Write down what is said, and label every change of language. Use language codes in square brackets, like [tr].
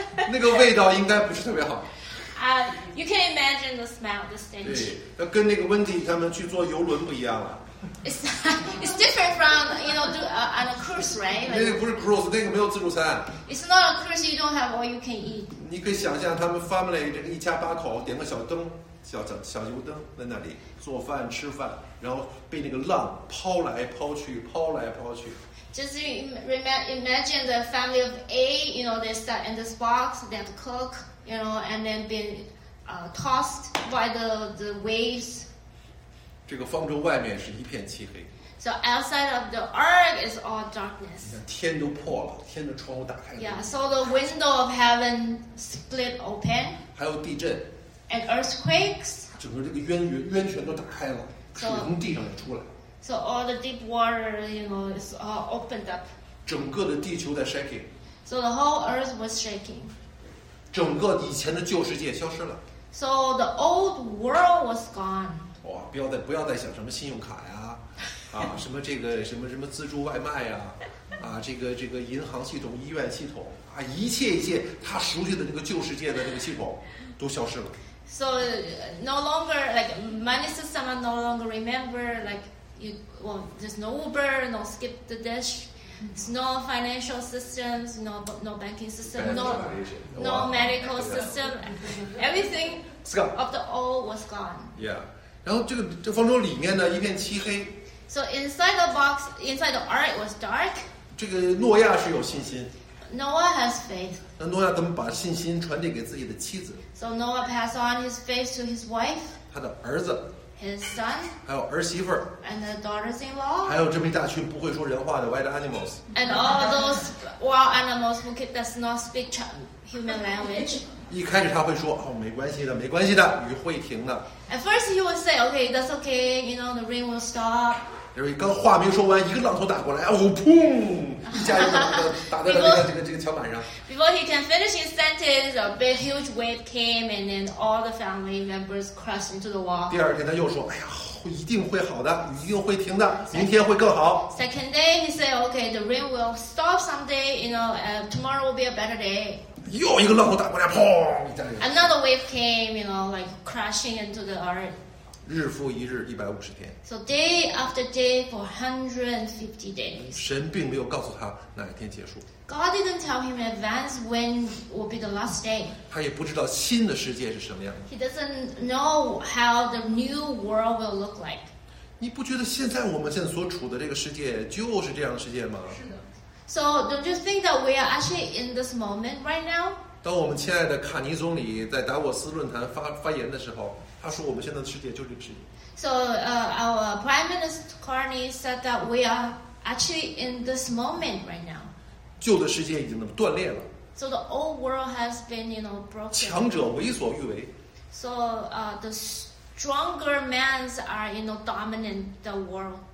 [zh] 那个味道应该不是特别好。 [en] You can imagine the smell, the stench. [zh] 对，跟那个温迪他们去坐游轮不一样了。 [en] It's different from you know do on a cruise, right? [zh] Like, 那个不是 cruise， 那个没有自助餐。 [en] It's not a cruise. You don't have all you can eat. [zh] 你可以想象他们 family 这个一家八口点个小灯，小油灯在那里做饭吃饭，然后被那个浪抛来抛去，抛来抛去。 [en] Just imagine the family of eight. You know they start in this box. They have to cook. You know, and then being tossed by the waves. [zh] 这个方舟外面是一片漆黑。 [en] So outside of the ark is all darkness. [zh] 天都破了，天的窗户打开了。 [en] Yeah, so the window of heaven split open. [zh] 还有地震。 [en] And earthquakes. [zh] 整个这个渊泉都打开了，水从地上也出来。 [en] So all the deep water, you know, is all opened up. [zh] 整个的地球在 shaking. [en] So the whole earth was shaking. [zh] 整个以前的旧世界消失了。 [en] So the old world was gone. [zh] 哇，不要再想什么信用卡呀。啊，什么这个什么什么自助外卖呀、啊，啊，这个银行系统、医院系统啊，一切他熟悉的那个旧世界的那个系统都消失了。 [en] So no longer like money system, no longer remember like you. Well, there's no Uber, no skip the dish, no financial systems, no banking system, no medical system. Everything of the old was gone. [zh] Yeah, 然后这个方舟里面呢一片漆黑。 [en] So inside the box, inside the ark was dark. [zh] 这个诺亚是有信心。 [en] Noah has faith. [zh] 那诺亚怎么把信心传递给自己的妻子 [en] ？So Noah passed on his faith to his wife. [zh] 他的儿子。 [en] His son. [zh] 还有儿媳妇儿。 [en] And the daughters-in-law. [zh] 还有这么一大群不会说人话的 [en] wild animals. And all those wild animals who does not speak human language. [zh] 一开始他会说哦，没关系的，没关系的，雨会停的。 [en] At first he would say, okay, that's okay, you know, the rain will stop. [zh] 因为刚话没说完，一个浪头打过来，哦，砰！一下就打在了这个桥板上。 [en] Before he can finish his sentence, a big huge wave came, and then all the family members crashed into the wall. [zh] 第二天他又说，哎呀，一定会好的，一定会停的，明天会更好。 [en] Second day he said, okay, the rain will stop someday, you know, tomorrow will be a better day. [zh] 又一个浪头打过来，砰！ [en] Another wave came, you know, like crashing into the earth. [zh] 日复一日，150天。 [en] So day after day for 150 days. [zh] 神并没有告诉他哪一天结束。 [en] God didn't tell him in advance when will be the last day. [zh] 他也不知道新的世界是什么样。 [en] He doesn't know how the new world will look like. [zh] 你不觉得现在我们现在所处的这个世界就是这样的世界吗？是的。 [en] So don't you think that we are actually in this moment right now? [zh] 当我们亲爱的卡尼总理在达沃斯论坛发言的时候，他说我们现在的世界就是这个世界。 [en] So our Prime Minister Carney said that we are actually in this moment right now. [zh] 旧的世界已经断裂了。 [en] So the old world has been, you know, broken. [zh] 强者为所欲为。 [en] So the stronger men are, you know, dominant the world.